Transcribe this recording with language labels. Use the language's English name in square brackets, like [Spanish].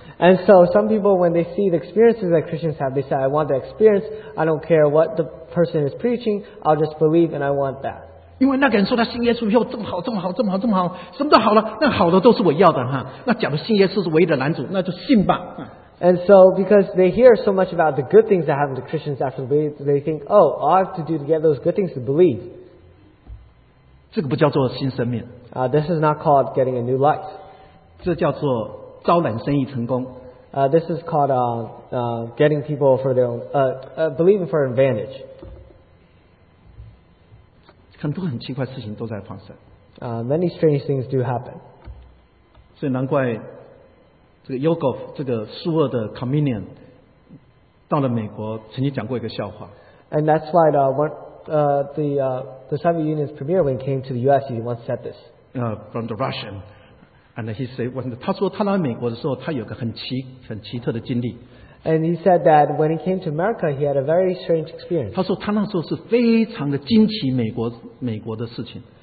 [English] And so some people, when they see the experiences that Christians have, they say, "I want the experience. I don't care what the person is preaching. I'll just believe, and I want that." [Chinese] 因为那个人说他信耶稣以后这么好，什么都好了，那好的都是我要的哈。那假如信耶稣是唯一的男主，那就信吧。 [English] And so because they hear so much about the good things that happen to Christians after the belief, they think, oh, all I have to do to get those good things to believe. [Chinese] 这个不叫做新生命。 [English] This is not called getting a new life. [Chinese] 这叫做招揽生意成功。 [English] This is called getting people for their own, believing for advantage. [Chinese] 很多很奇怪的事情都在发生。 [English] Many strange things do happen. [Chinese] 所以难怪这个 Yogov 这个苏俄的 Communion 到了美国曾经讲过一个笑话。 [English] And that's why the Soviet Union's premier, when he came to the US, he once said this. From the Russian, and he said, [Chinese] 他说他来美国的时候，他有个很奇特的经历。 [English] And he said that when he came to America, he had a very strange experience. [Chinese] 他说他那时候是非常的惊奇美国的事情。